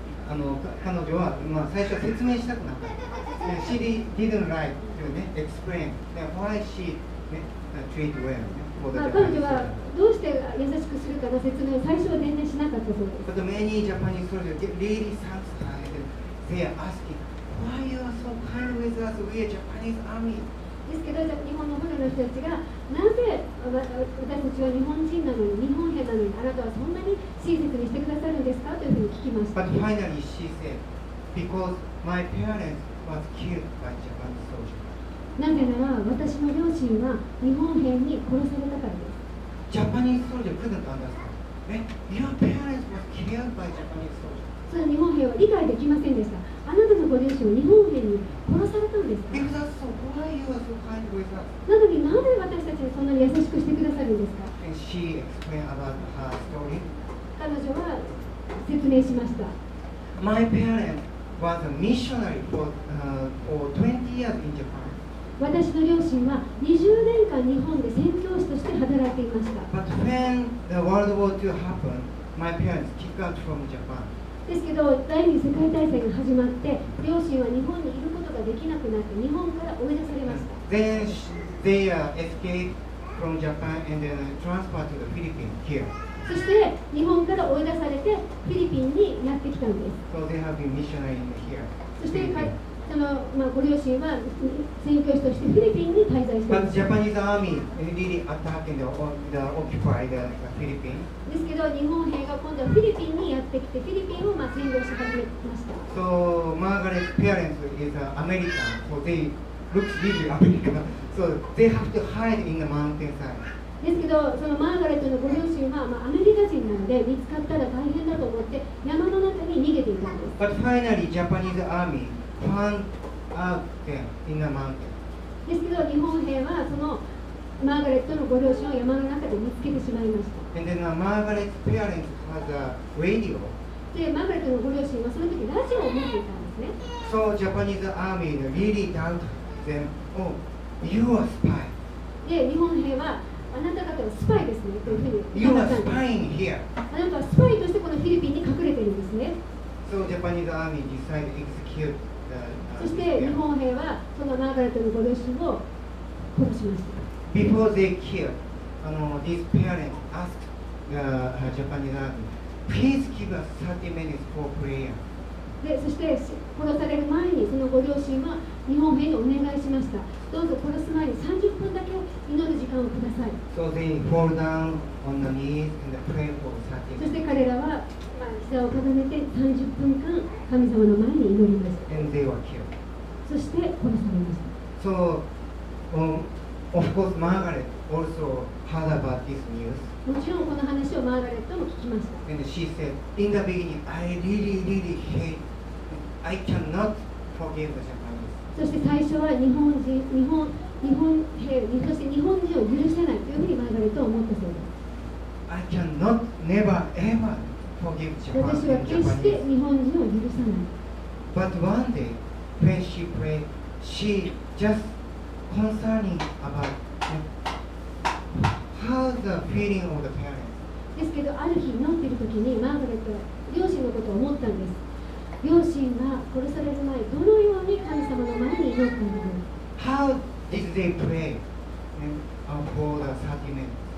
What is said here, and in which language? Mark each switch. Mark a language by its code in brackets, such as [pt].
[ja] 彼女は、まあ、最初は説明したくなかった。 [en] She didn't like to explain why she treat well. [ja] 彼女はどうして優しくするかの説明を最初は全然しなかったそうです。 [en] But many Japanese soldiers really thank her. They are asking, why you are so kind with us? We are Japanese army. [ja] ですけど、日本のブルの人たちがなぜ私たちは日本人なのに、日本兵なのに、あなたはそんなに親切にしてくださるんですかというふうに聞きました。 [en] But finally she said, because my parents was killed by Japan soldiers. [ja] なぜなら私の両親は日本兵に殺されたからです。 [en] Japanese soldier couldn't understand. Your parents was killed by Japanese soldiers. [ja] それ日本兵は理解できませんでした。あなたのご両親は日本兵に殺されたんですか。なのになぜ私たちにそんなに優しくしてくださるんですか。彼女は説明しました。 [en] My parents was a missionary for 20 years in Japan. [ja] 私の両親は20年間日本で宣教師として働いていました。 [en] But when the World War II happened, my parents kicked out from Japan. [ja] ですけど、第二次世界大戦が始まって、両親は日本にいることができなくなって、日本から追い出されました。 [en] Then they escaped from Japan and then transferred to the Philippines here. [ja] そして、日本から追い出されて、フィリピンにやってきたんです。 [en] So they have been missionary here. [ja] そして、ご両親は宣教師としてフィリピンに滞在しています。 [en] But Japanese army really attacked and occupied the Philippines. [ja] ですけど、日本兵が今度はフィリピンにやってきて、フィリピンを占領し始めました。 [en] So, Margaret's parents is American, so they look really American. So, they have to hide in the mountainside. [ja] ですけど、そのマーガレットのご両親は、アメリカ人なので、見つかったら大変だと思って、山の中に逃げていたんです。 [en] But finally, Japanese army found out them in the mountain. [ja] ですけど、日本兵はそのマーガレットのご両親を山の中で見つけてしまいました。 [en] And then Margaret's parents had a radio. [ja] で、マーガレットのご両親はその時ラジオを持っていたんですね。 [en] So Japanese army really doubted them. Oh, you are spy. [ja] で、日本兵はあなた方はスパイですねというふうに言われたんです。 [en] You are spying here. [ja] あなたはスパイとしてこのフィリピンに隠れているんですね。 [en] So Japanese army decided to execute the. [ja] そして日本兵はそのマーガレットのご両親を殺しました。 [en] Before they killed. These parents asked the Japanese army, please give us 30 minutes for prayer. [ja] で、そして殺される前にそのご両親は日本兵にお願いしました。どうぞ殺す前に30分だけ祈る時間をください。 [en] So they fall down on the knees and pray for 30 minutes. [ja] そして彼らは膝をかがめて30分間神様の前に祈りました。 [en] And they were killed. [ja] そして殺されました。 [en] So, of course, Margaret also. Heard about this news. [ja] もちろんこの話をマーガレットも聞きました。 [en] And she said, in the beginning, I really, really hate. I cannot forgive the Japanese. [ja] そして最初は日本兵、そして日本人を許せないというふうにマーガレットは思ったそうです。 [en] I cannot, never, ever forgive Japan. [ja] 私は決して日本人を許さない。 [en] But one day, when she prayed, she just concerning about. How's the feeling of the parents? [ja] ですけど、ある日祈っているときにマーガレットは両親のことを思ったんです。両親が殺される前、どのように神様の前に祈ったのか。 [en] How did they pray for the 30 minutes?